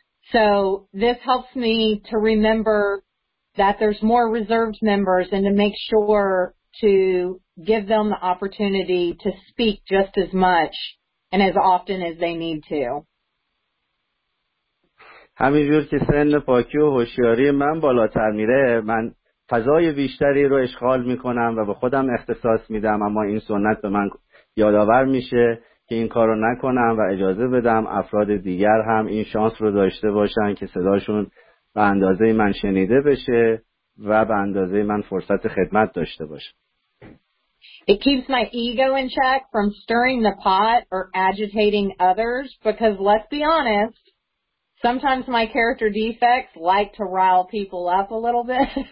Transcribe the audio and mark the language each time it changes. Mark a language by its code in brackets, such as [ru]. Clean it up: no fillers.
[en] So this helps me to remember that there's more reserved members and to make sure to give them the opportunity to speak just as much and as often as they need to. [fa] همینجور که سن پاکی و هوشیاری من بالاتر میره، من فضای بیشتری رو اشغال میکنم و به خودم اختصاص میدم، اما این سنت به من یادآور میشه که این کار رو نکنم و اجازه بدم افراد دیگر هم این شانس رو داشته باشن که صداشون به اندازه من شنیده بشه و به اندازه من فرصت خدمت داشته باشه. [en] It keeps my ego in check from stirring the pot or agitating others because let's be honest, sometimes my character defects like to rile people up a little bit.